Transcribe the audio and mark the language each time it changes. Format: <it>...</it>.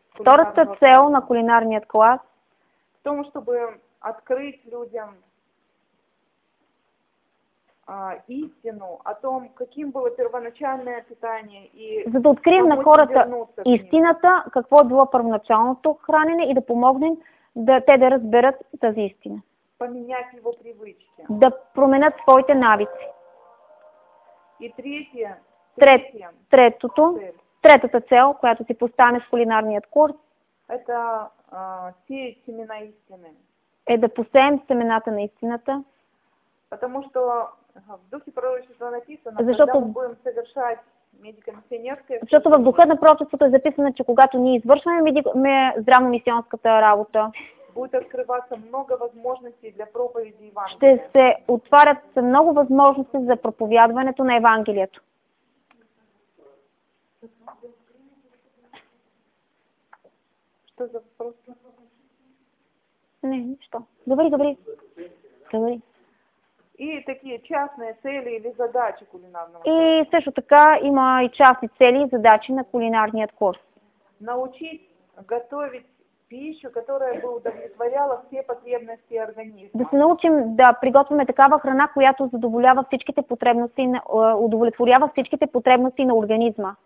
<bg>Втората цел на кулинарният клас.</bg> <ru>В том, чтобы открыть людям истину о том, каким было первоначальное питание и</ru> <bg>за да открием на хората истината, какво е било първоначалното хранене и да помогнем да те да разберат тази истина.</bg> <ru>Поменять его привычки.</ru> <bg>Да променят своите навици.</bg> <ru>И третия,</ru> <bg>третата цел, която си поставяме в кулинарният курс,</bg> <ru>это сеять семена истины.</ru> <bg>Е да посеем семената на истината.</bg> <ru>Потому что в духе пророчества написано, защото, когда мы будем совершать медико-миссионерское...</ru> <bg>Защото в духа на пророчеството е записано, че когато ние извършваме здравно-мисионската работа,</bg> <ru>будет открываться много возможностей для проповеди Евангелия.</ru> <bg>Ще се отварят много възможности за проповядването на Евангелието.</bg> <ru>Что за вопрос?</ru> <bg>Не, ничто. Говори.</bg> <ru>И такие частные цели или задачи кулинарного.</ru> <bg>И също така има и частни цели и задачи на кулинарният курс.</bg> <ru>Научить готовить пищу, которая бы удовлетворяла все потребности организма.</ru> <bg>Да се научим да приготвяме такава храна, която задоволява всичките потребности, удовлетворява всичките потребности на организма.</bg>